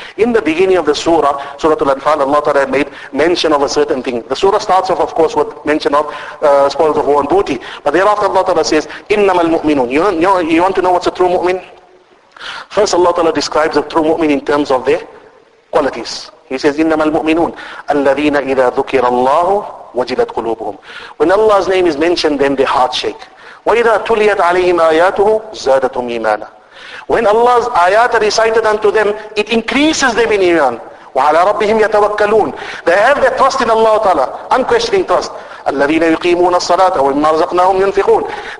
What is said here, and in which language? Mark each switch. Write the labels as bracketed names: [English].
[English] In the beginning of the surah, Surah Al-Anfal, Allah Ta'ala made mention of a certain thing. The surah starts off, of course, with mention of spoils of war and booty. But thereafter, Allah Ta'ala says, [Arabic] إِنَّمَا الْمُؤْمِنُونَ. [English] You want to know what's a true mu'min? First, Allah Ta'ala describes a true mu'min in terms of their qualities. He says, [Arabic] إِنَّمَا الْمُؤْمِنُونَ الَّذِينَ إِذَا ذُكِرَ اللَّهُ وَجِلَتْ قُلُوبُهُمْ. [English] When Allah's name is mentioned, then their hearts shake. [Arabic] وَإِذَا تُلِيَتْ عَلَيْهِمْ آيَاتُهُ زَادَتْهُمْ إِيمَانًا. [English] When Allah's ayat are recited unto them, it increases them in iman. [Arabic] وَعَلَى رَبِّهِمْ يَتَوَكَّلُونَ. [English] They have their trust in Allah Ta'ala. Unquestioning trust. [Arabic] الَّذِينَ يُقِيمُونَ الصَّلَاةَ وَمِمَّا رَزَقْنَاهُمْ يُنْفِقُونَ.